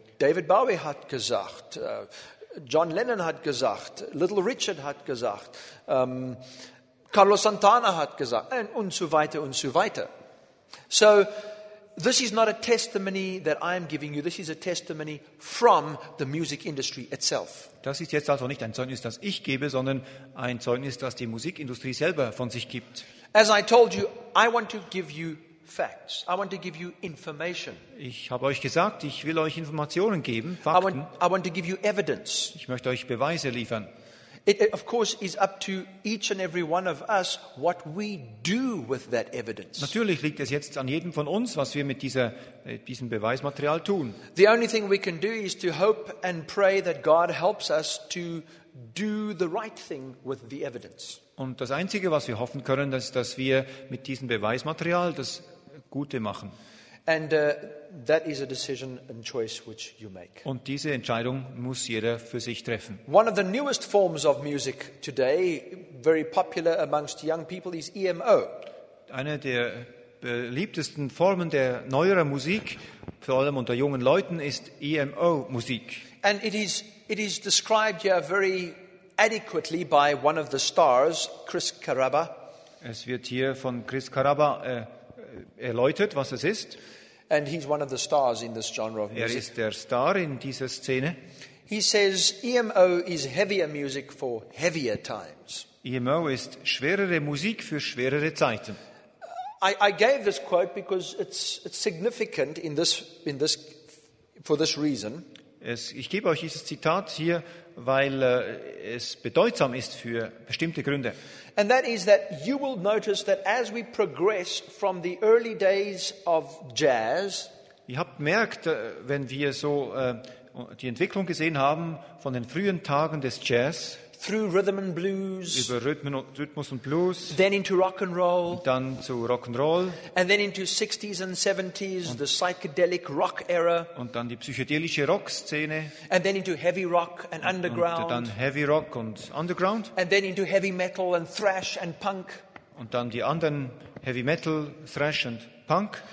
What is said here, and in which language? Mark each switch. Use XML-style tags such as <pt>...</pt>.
<de>David Bowie hat gesagt, John Lennon hat gesagt, Little Richard hat gesagt, Carlos Santana hat gesagt, und so weiter und so weiter.</de> <en>So, this is not a testimony that I am giving you. This is a testimony from the music industry itself.</en> <de>Das ist jetzt also nicht ein Zeugnis, das ich gebe, sondern ein Zeugnis, das die Musikindustrie selber von sich gibt.</de> <en>As I told you, I want to give you facts. I want to give you information.</en> <de>Ich habe euch gesagt, ich will euch Informationen geben, Fakten.</de> <en>I want to give you evidence.</en> <de>Ich möchte euch Beweise liefern.</de> <en>It of course is up to each and every one of us what we do with that evidence.</en> <de>Natürlich liegt es jetzt an jedem von uns, was wir mit diesem Beweismaterial tun.</de> <en>The only thing we can do is to hope and pray that God helps us to do the right thing with the evidence.</en> <de>Und das Einzige, was wir hoffen können, ist, dass wir mit diesem Beweismaterial das Gute machen.</de> <en>And that is a decision and choice which you make.</en> <de>Und diese Entscheidung muss jeder für sich treffen.</de> <en>One of the newest forms of music today, very popular amongst young people, is EMO.</en> <de>Eine der beliebtesten Formen der neueren Musik, vor allem unter jungen Leuten, ist EMO-Musik.</de> <en>And it is described here very adequately by one of the stars, Chris Carrabba.</en> <de>Es wird hier von Chris Carrabba erläutert, was es ist.</de> <en>And he's one of the stars in this genre of music.</en> <de>Er ist der Star in dieser Szene.</de> <en>He says EMO is heavier music for heavier times.</en> <de>EMO ist schwerere Musik für schwerere Zeiten.</de> <en>I gave this quote because it's significant in this for this reason.</en> <de>Ich gebe euch dieses Zitat hier, weil es bedeutsam ist für bestimmte Gründe.</de> <en>And that is that you will notice that as we progress from the early days of jazz.</en> <de>Ihr habt merkt, wenn wir so die Entwicklung gesehen haben von den frühen Tagen des Jazz.</de> <en>Through rhythm and blues.</en> <de>Über Rhythmus und Blues.</de> <en>Then into rock and roll.</en> <de>Dann zu Rock and Roll.</de> <en>And then into 60s and 70s, the psychedelic rock era.</en> <de>Und dann die psychedelische Rockszene.</de> <en>And then into heavy rock and underground.</en> <de>Und dann Heavy Rock und Underground.</de> <en>And then into heavy metal and thrash and punk.</en> <de>Und dann die anderen Heavy Metal, Thrash und Punk.</de>